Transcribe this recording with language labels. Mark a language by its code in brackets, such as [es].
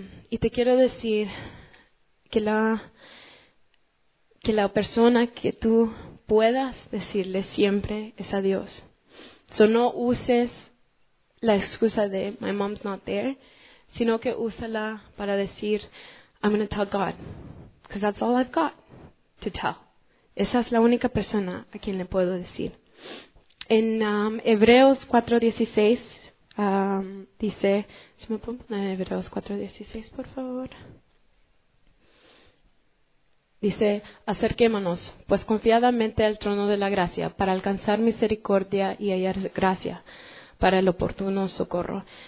[es] Y te quiero decir que la persona que tú puedas decirle siempre es a Dios. [en] So [es] no uses la excusa de [en] my mom's not there, [es] sino que úsala para decir [en] I'm going to tell God, because that's all I've got to tell. [es] Esa es la única persona a quien le puedo decir. En Hebreos 4:16 dice, si me pueden poner Hebreos 4:16, por favor. Dice, acerquémonos, pues confiadamente al trono de la gracia, para alcanzar misericordia y hallar gracia para el oportuno socorro.